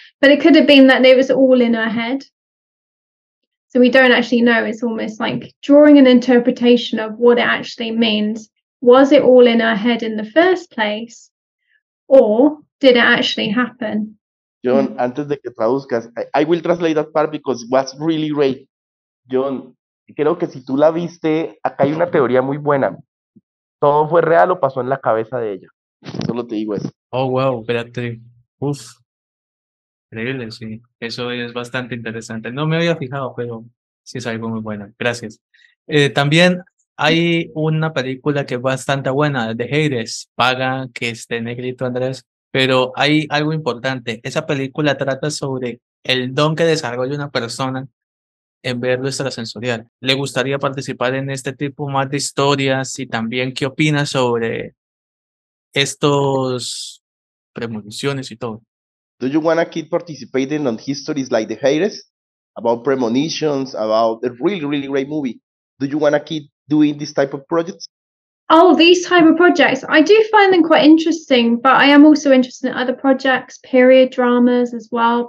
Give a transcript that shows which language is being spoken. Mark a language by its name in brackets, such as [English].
[English] But it could have been that it was all in her head. So we don't actually know. It's almost like drawing an interpretation of what it actually means. Was it all in her head in the first place? Or did it actually happen? Jhon, [Spanish] antes de que traduzcas, [English] I will translate that part because it was really great. [Spanish] Jhon, creo que si tú la viste, acá hay una teoría muy buena. ¿Todo fue real o pasó en la cabeza de ella? Solo te digo eso. Oh, wow, espérate. Uf. Increíble, sí. Eso es bastante interesante. No me había fijado, pero sí es algo muy bueno. Gracias. También hay una película que es bastante buena, de Hades, paga que esté negrito Andrés, pero hay algo importante. Esa película trata sobre el don que desarrolla una persona en ver lo extrasensorial. ¿Le gustaría participar en este tipo más de historias? Y también, ¿qué opinas sobre estos premoniciones y todo? [English] Do you want to keep participating on histories like the Hades? About premonitions, about a really, really great movie. Do you want to keep doing this type of projects? Oh, these type of projects. I do find them quite interesting, but I am also interested in other projects, period dramas as well.